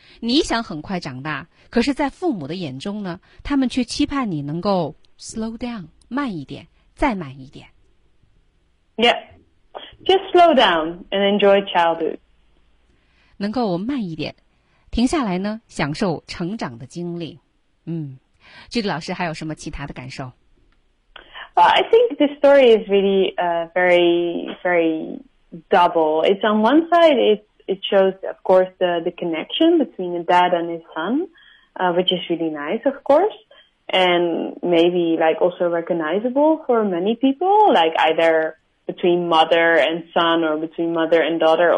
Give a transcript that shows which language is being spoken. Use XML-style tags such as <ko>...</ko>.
<zh>你想很快长大，可是在父母的眼中呢，他们却期盼你能够</zh> <en>slow down，</en> <zh>慢一点，再慢一点。</zh> <en>Yeah, just slow down and enjoy childhood.</en> <zh>能够慢一点，停下来呢，享受成长的经历。嗯，具体老师还有什么其他的感受</zh> <en>？Well, I think this story is really very, very double. It's on one side, It shows, of course, the connection between the dad and his son,which is really nice, of course, and maybe like also recognizable for many people, like either between mother and son or between mother and daughter.</en>